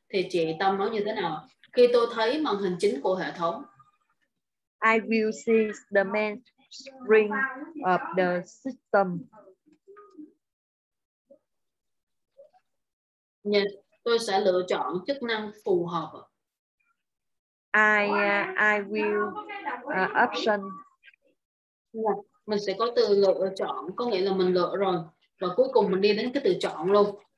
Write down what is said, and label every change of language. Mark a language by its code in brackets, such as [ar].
[vi] Thì chị Tâm nói như thế nào? Khi tôi thấy màn hình chính của hệ thống, [en] I will see the main screen of the system. [vi] Nhìn, tôi sẽ lựa chọn chức năng phù hợp. [en] I will option. [vi] Mình sẽ có từ lựa chọn, có nghĩa là mình lựa rồi. Và cuối cùng mình đi đến cái từ chọn luôn.